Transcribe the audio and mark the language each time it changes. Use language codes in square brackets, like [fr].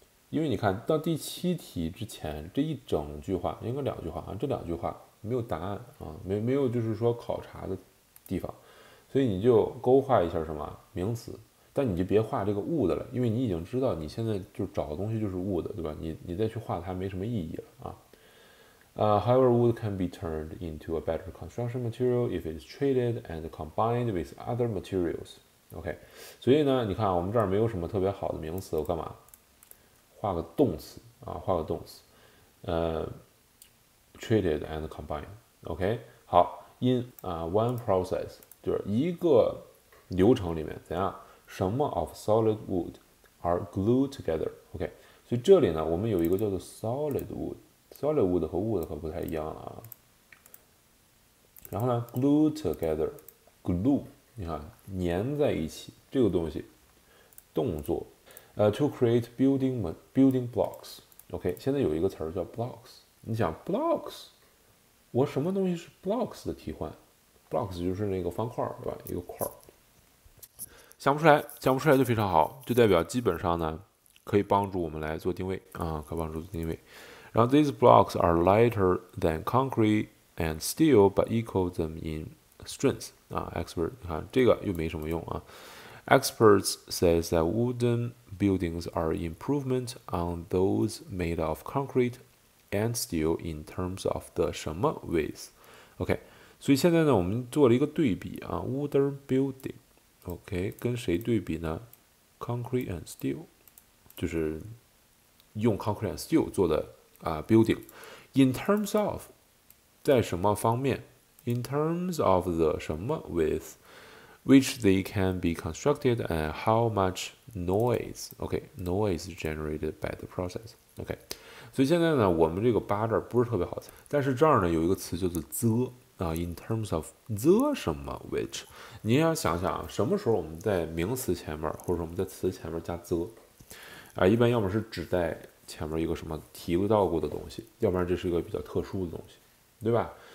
[zh] 因为你看到第七题之前这一整句话，应该两句话啊，这两句话。没有答案啊，没有，就是说考察的地方，所以你就勾画一下什么名词，但你就别画这个 wood 了，因为你已经知道你现在就找的东西就是 wood，对吧？你再去画它没什么意义了啊。 [en] However, wood can be turned into a better construction material if it's treated and combined with other materials. [zh] OK，所以呢，你看我们这儿没有什么特别好的名词，我干嘛？画个动词啊，画个动词， [en] Treated and combined， [zh] OK，、okay? 好， [en] in one process [zh] 就是一个流程里面怎样？ [en] 什么 of solid wood are glued together，OK，、okay? [zh] 所以这里呢，我们有一个叫做 solid wood，solid wood 和 wood 可不太一样了啊。然后呢，glue together，glue，你看，粘在一起，这个东西，动作， [en] to create building blocks。 [zh] OK，现在有一个词儿叫 blocks，你想 blocks，我什么东西是 blocks 的替换？blocks 就是那个方块，对吧？一个块儿。想不出来，想不出来就非常好，就代表基本上呢，可以帮助我们来做定位啊，可以帮助做定位。 [en] 然后 these blocks are lighter than concrete and steel, but equal them in strength 啊。 [zh] Expert，你看这个又没什么用啊。 [en] Experts say that wooden buildings are improvement on those made of concrete and steel in terms of the 什么 ways。 [zh] OK，所以现在呢，我们做了一个对比啊，wooden building。 OK，跟谁对比呢？ [en] Concrete and steel， [zh] 就是用 concrete and steel 做的building。 [en] In terms of， [zh] 在什么方面？ [en] In terms of the 什么 with which they can be constructed and how much noise，OK，noise generated by the process，OK。 [zh] 所以现在呢，我们这个八这儿不是特别好猜，但是这儿呢有一个词叫做 the。 [en] In terms of the [zh] 什么 which，你要想想什么时候我们在名词前面或者说我们在词前面加 the，一般要么是指代前面一个什么提到过的东西，要不然这是一个比较特殊的东西，对吧？